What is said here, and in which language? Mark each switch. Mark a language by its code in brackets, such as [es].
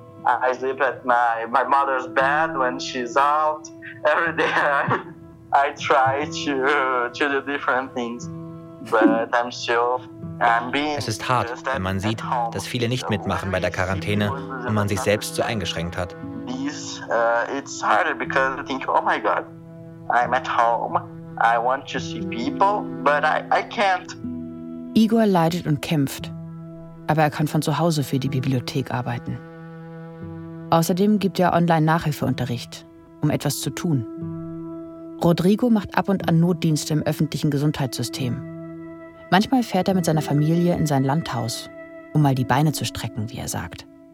[en] I sleep at my mother's bed when she's out. Every day I try to do different things, but I'm still being. [de] Es ist hart, wenn man sieht, dass viele nicht mitmachen bei der Quarantäne und man sich selbst so eingeschränkt hat. [en] It's harder because I think, oh my God, I'm at home. I want to see people, but I can't. [de] Igor leidet und kämpft, aber er kann von zu Hause für die Bibliothek arbeiten. Außerdem gibt er Online-Nachhilfeunterricht, um etwas zu tun. Rodrigo macht ab und an Notdienste im öffentlichen Gesundheitssystem. Manchmal fährt er mit seiner Familie in sein Landhaus, um mal die Beine zu strecken, wie er sagt.